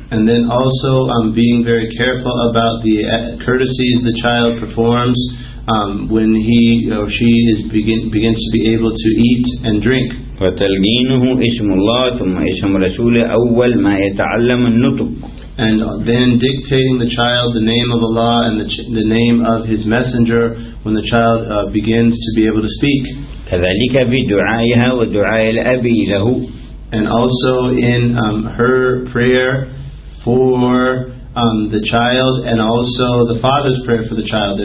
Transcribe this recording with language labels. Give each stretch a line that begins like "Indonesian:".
English: And then also being very careful about the courtesies the child performs when he or she is begins to be able to eat and drink.
Arabic: وتلقينه اسم الله ثم اسم رسوله أول ما يتعلم النطق.
English: And then dictating the child the name of Allah and the name of His Messenger when the child begins to be able to speak.
Arabic: كذلك في دعائها ودعاء الأب له.
English: And also in her prayer for the child and also the father's prayer for the child.